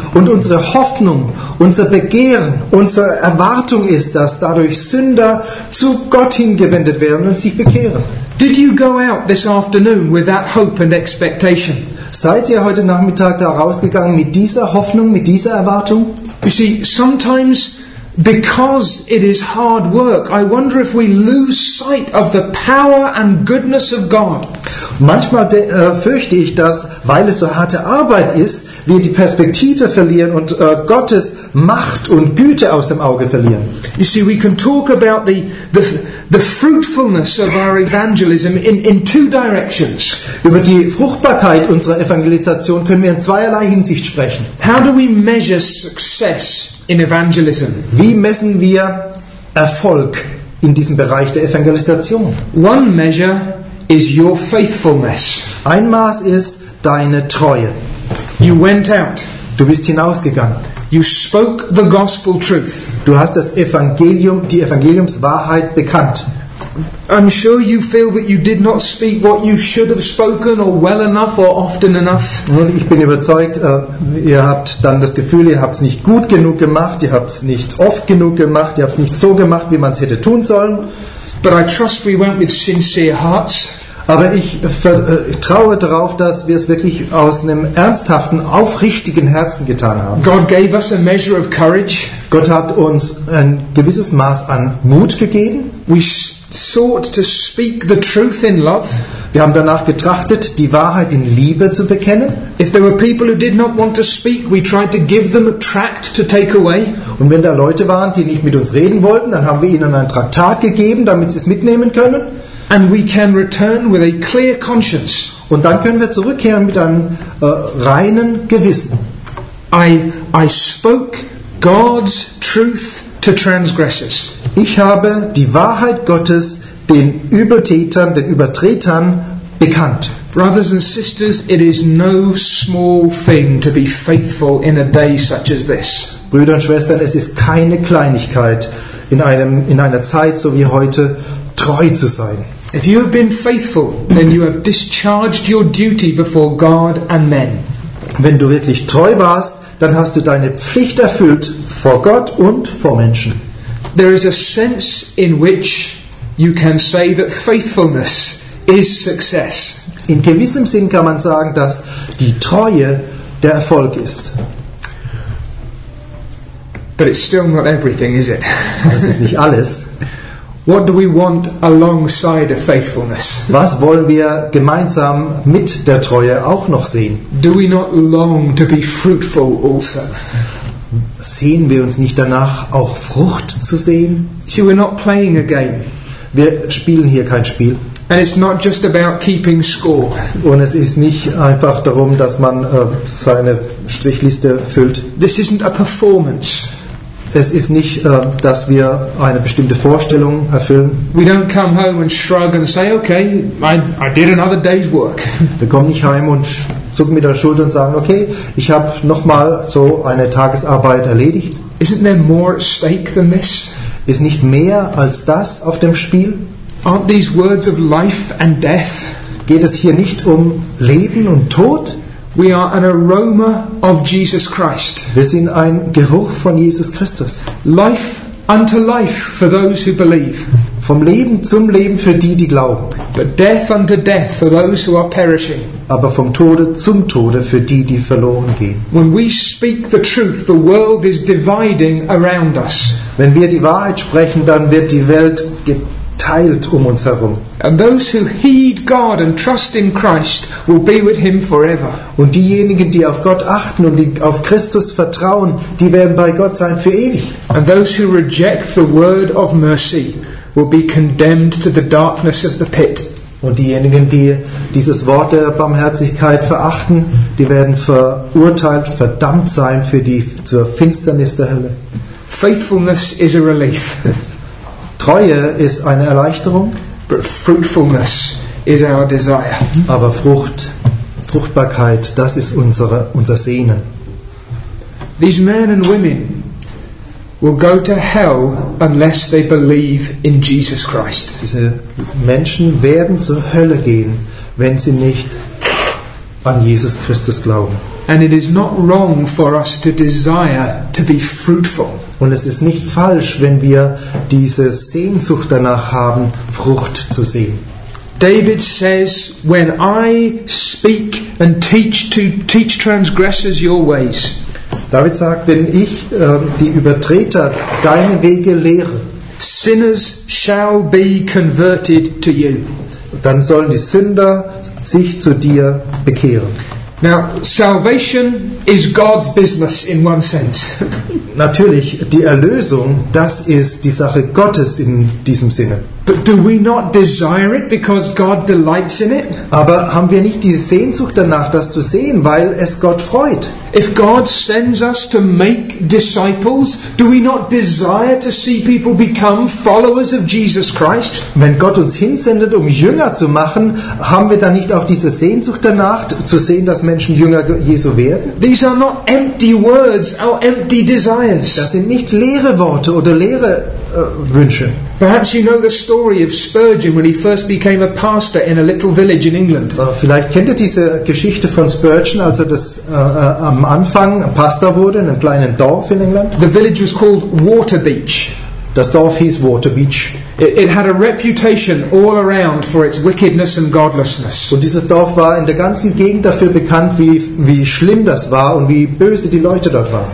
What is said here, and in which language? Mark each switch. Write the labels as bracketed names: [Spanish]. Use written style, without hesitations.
[German] Und unsere Hoffnung, unser Begehren, unsere Erwartung ist, dass dadurch Sünder zu Gott hingewendet werden und sich bekehren. [English] Did you go out this afternoon with that hope and expectation? [German] Seid ihr heute Nachmittag da rausgegangen mit dieser Hoffnung, mit dieser Erwartung? [English] You see, sometimes because it is hard work, I wonder if we lose sight of the power and goodness of God. [German] Manchmal fürchte ich, dass, weil es so harte Arbeit ist, wir die Perspektive verlieren und Gottes Macht und Güte aus dem Auge verlieren. [English] You see, we can talk about the fruitfulness of our evangelism in two directions. [German] Über die Fruchtbarkeit unserer Evangelisation können wir in zweierlei Hinsicht sprechen. [English] How do we measure success in evangelism? [German] Wie messen wir Erfolg in diesem Bereich der Evangelisation? [English] One measure is your faithfulness. [German] Ein Maß ist deine Treue. [English] You went out. [German] Du bist hinausgegangen. [English] You spoke the gospel truth. [German] Du hast das Evangelium, die Evangeliumswahrheit bekannt. [English] I'm sure you feel that you did not speak what you should have spoken or well enough or often enough. [German] Ich bin überzeugt, ihr habt dann das Gefühl, ihr habt es nicht gut genug gemacht, ihr habt es nicht oft genug gemacht, ihr habt es nicht so gemacht, wie man es hätte tun sollen. [English] But I trust we went with sincere hearts. [German] Aber ich vertraue darauf, dass wir es wirklich aus einem ernsthaften, aufrichtigen Herzen getan haben. [English] God gave us a measure of courage. [German] Gott hat uns ein gewisses Maß an Mut gegeben. [English] We sought to speak the truth in love. [German] Wir haben danach getrachtet, die Wahrheit in Liebe zu bekennen. [English] If there were people who did not want to speak, we tried to give them a tract to take away. [German] Und wenn da Leute waren, die nicht mit uns reden wollten, dann haben wir ihnen ein Traktat gegeben, damit sie es mitnehmen können. [English] And we can return with a clear conscience. [German] Und dann können wir zurückkehren mit einem reinen Gewissen. [English] I spoke God's truth to transgressors. [German] Ich habe die Wahrheit Gottes den Übeltätern, den Übertretern bekannt. [English] Brothers and sisters, it is no small thing to be faithful in a day such as this. [German] Brüder und Schwestern, es ist keine Kleinigkeit in einer Zeit so wie heute treu zu sein. [English] If you have been faithful, then you have discharged your duty before God and men. [German] Wenn du wirklich treu warst, dann hast du deine Pflicht erfüllt vor Gott und vor Menschen. [English] There is a sense in which you can say that faithfulness is success. [German] In gewissem Sinn kann man sagen, dass die Treue der Erfolg ist. [English] But it's still not everything, is it? [German] Das ist nicht alles. [English] What do we want alongside of faithfulness? [German] Was wollen wir gemeinsam mit der Treue auch noch sehen? [English] Do we not long to be fruitful also? [German] Sehen wir uns nicht danach, auch Frucht zu sehen? [English] See, we're not playing a game. [German] Wir spielen hier kein Spiel. [English] And it's not just about keeping score. [German] Und es ist nicht einfach darum, dass man seine Strichliste füllt. [English] This isn't a performance. [German] Es ist nicht, dass wir eine bestimmte Vorstellung erfüllen. [English] We don't come home and shrug and say, okay, I did another day's work. [German] Wir kommen nicht heim und zucken mit der Schulter und sagen, okay, ich habe nochmal so eine Tagesarbeit erledigt. [English] Isn't there more at stake than this? [German] Ist nicht mehr als das auf dem Spiel? [English] Aren't these words of life and death? [German] Geht es hier nicht um Leben und Tod? [English] We are an aroma of Jesus Christ. [German] Wir sind ein Geruch von Jesus Christus. [English] Life unto life for those who believe. [German] Vom Leben zum Leben für die, die glauben. [English] But death unto death for those who are perishing. [German] Aber vom Tode zum Tode für die, die verloren gehen. [English] When we speak the truth, the world is dividing around us. [German] Wenn wir die Wahrheit sprechen, dann wird die Welt geteilt um uns herum. [English] And those who heed God and trust in Christ will be with him forever. [German] Und diejenigen, die auf Gott achten und die auf Christus vertrauen, die werden bei Gott sein für ewig. [English] And those who reject the word of mercy will be condemned to the darkness of the pit. [German] Und diejenigen, die dieses Wort der Barmherzigkeit verachten, die werden verurteilt, verdammt sein zur Finsternis der Hölle. [English] Faithfulness is a relief. [German] Treue ist eine Erleichterung. [English] But fruitfulness is our desire. [German] Aber Fruchtbarkeit, das ist unser Sehnen. [English] These men and women will go to hell unless they believe in Jesus Christ. [German] Diese Menschen werden zur Hölle gehen, wenn sie nicht an Jesus Christus glauben. [English] And it is not wrong for us to desire to be fruitful. [German] Und es ist nicht falsch, wenn wir diese Sehnsucht danach haben, Frucht zu sehen. [English] David says, when I speak and teach transgressors your ways. [German] David sagt, wenn ich die Übertreter deine Wege lehre, [English] sinners shall be converted to you. [German] Dann sollen die Sünder sich zu dir bekehren. [English] Now, salvation is God's business in one sense. [German] Natürlich, die Erlösung, das ist die Sache Gottes in diesem Sinne. [English] But do we not desire it because God delights in it? [German] Aber haben wir nicht die Sehnsucht danach, das zu sehen, weil es Gott freut? [English] If God sends us to make disciples, do we not desire to see people become followers of Jesus Christ? [German] Wenn Gott uns hinsendet, um Jünger zu machen, haben wir dann nicht auch diese Sehnsucht danach, zu sehen, dass Menschen Jünger Jesu werden? [English] These are not empty words or empty desires. [German] Das sind nicht leere Worte oder leere Wünsche. [English] Perhaps you know the story of Spurgeon when he first became a pastor in a little village in England. [German] Vielleicht kennt ihr diese Geschichte von Spurgeon, als er das am Anfang Pastor wurde in einem kleinen Dorf in England. [English] The village was called Waterbeach. [German] Das Dorf hieß Waterbeach. [English] It had a reputation all around for its wickedness and godlessness. [German] Und dieses Dorf war in der ganzen Gegend dafür bekannt, wie schlimm das war und wie böse die Leute dort waren.